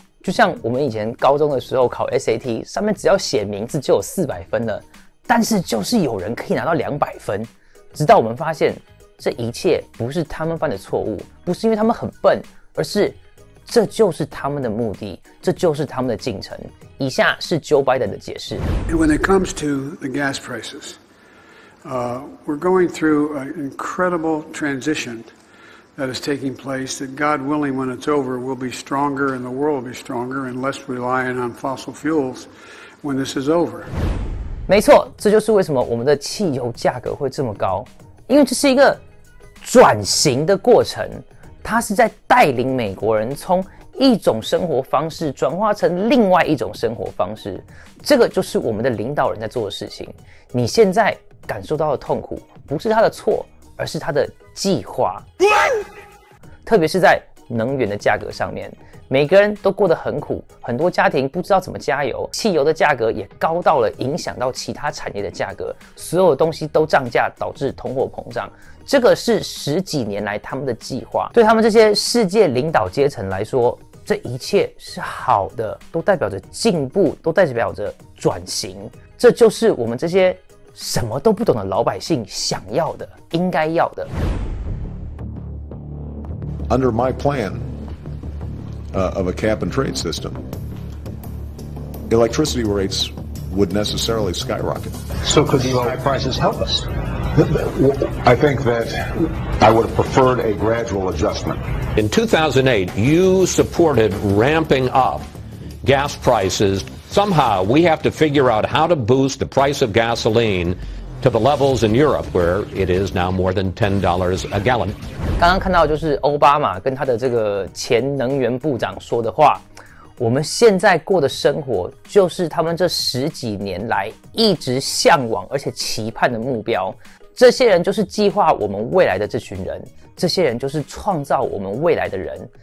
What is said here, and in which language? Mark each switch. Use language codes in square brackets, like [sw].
[zh] 就像我们以前高中的时候考 SAT， 上面只要写名字就有400分了，但是就是有人可以拿到200分。直到我们发现这一切不是他们犯的错误，不是因为他们很笨，而是这就是他们的目的，这就是他们的进程。以下是 Joe Biden 的解释。 [en] When it comes to the gas prices, we're going through an incredible transition that is taking place that God willing, when it's over, will be stronger and the world will be stronger and less reliant on fossil fuels when this is over. [zh] 没错，这就是为什么我们的汽油价格会这么高，因为这是一个转型的过程。他是在带领美国人从一种生活方式转化成另外一种生活方式，这个就是我们的领导人在做的事情。你现在感受到的痛苦不是他的错，而是他的计划。特别是在能源的价格上面，每个人都过得很苦，很多家庭不知道怎么加油，汽油的价格也高到了影响到其他产业的价格，所有东西都涨价，导致通货膨胀。这个是十几年来他们的计划，对他们这些世界领导阶层来说，这一切是好的，都代表着进步，都代表着转型。这就是我们这些什么都不懂的老百姓想要的，应该要的。 [en] Under my plan of a cap and trade system, electricity rates would necessarily skyrocket. So could these high prices help us? I think that I would have preferred a gradual adjustment. In 2008, you supported ramping up gas prices. Somehow, we have to figure out how to boost the price of gasoline to the levels in Europe where it is now more than $10 a gallon. [zh] 刚刚看到就是奥巴马跟他的这个前能源部长说的话，我们现在过的生活就是他们这十几年来一直向往而且期盼的目标。这些人就是计划我们未来的这群人，这些人就是创造我们未来的人。